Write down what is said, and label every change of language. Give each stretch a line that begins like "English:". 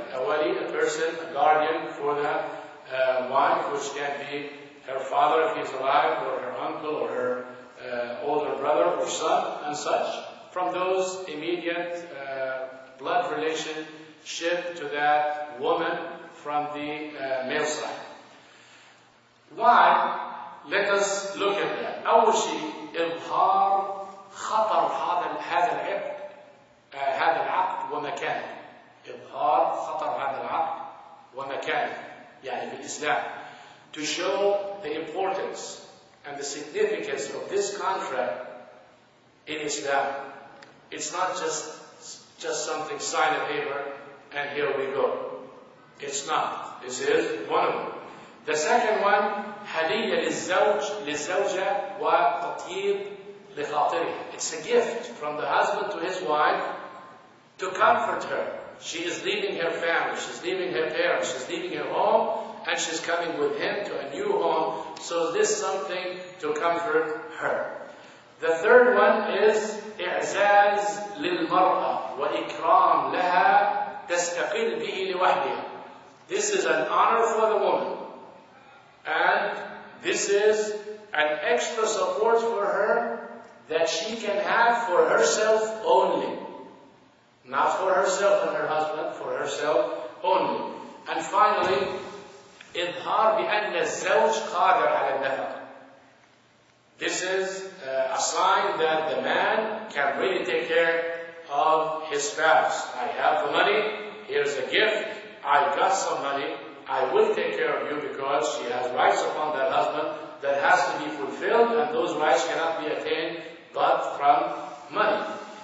English: A wali, a person, a guardian for the wife, which can be her father if he's alive, or her uncle, or her older brother, or son, and such. From those immediate blood relationship to that woman from the male side. Why? Let us look at that.
Arabic: أول شيء إظهار خطر هذا العقد هذا العقد ومكانه. إظهار خطر هذا العقد ومكانه. يعني في الإسلام.
English: To show the importance and the significance of this contract in Islam. It's not just something, sign a paper, and here we go. It's not. This is one of them. The second one,
Arabic: هدية للزوج للزوجة وتطيب لخاطره.
English: It's a gift from the husband to his wife to comfort her. She is leaving her family, she's leaving her parents, she's leaving her home, and she's coming with him to a new home. So this is something to comfort her. The third one is
Arabic: إعزاز للمرأة وإكرام لها تستقل به لوحدها.
English: This is an honor for the woman. And this is an extra support for her that she can have for herself only. Not for herself and her husband, for herself only. And finally,
Arabic: إظهار بأن الزوج قادر على النفقة.
English: This is a sign that the man can really take care of his spouse. I have the money, here's a gift, I got some money, I will take care of you because she has rights upon that husband that has to be fulfilled, and those rights cannot be attained but from money.